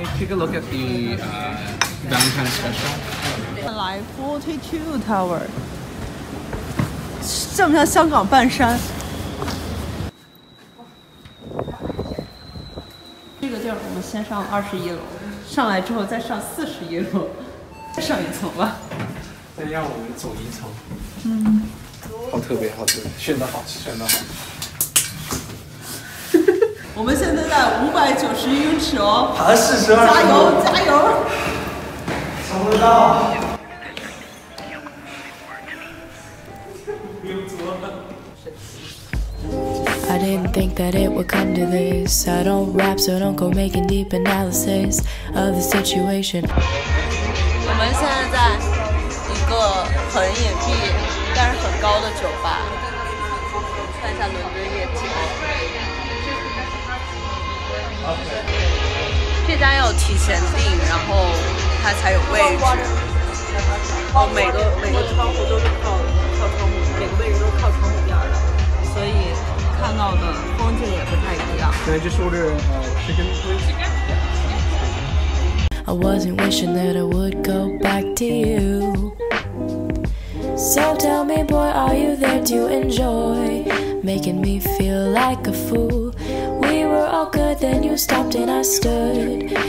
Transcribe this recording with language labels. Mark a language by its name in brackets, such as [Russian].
[English] Take a look at the downtown special. [Chinese] Live 42 Tower， 像不像香港半山？这个地儿我们先上21楼，上来之后再上41楼，再上一层吧。再让我们走一层。嗯。好特别，好特别，选得好，选得好。我们现在在591英尺哦，爬了42，加油加油，撑得到。 [English] I didn't think that it would come to this. I don't rap, so don't go making deep analysis of the situation. [Chinese] 我们现在在一个很隐蔽。但是很高的酒吧，看一下伦敦夜景。这家要提前订，然后它才有位置。每个窗户都是靠窗户，每个位置都靠窗户边的，所以看到的风景。 [English] I wasn't wishing that I would go back to you. So tell me, boy, are you there to enjoy? Making me feel like a fool. We were all good, then you stopped and I stood.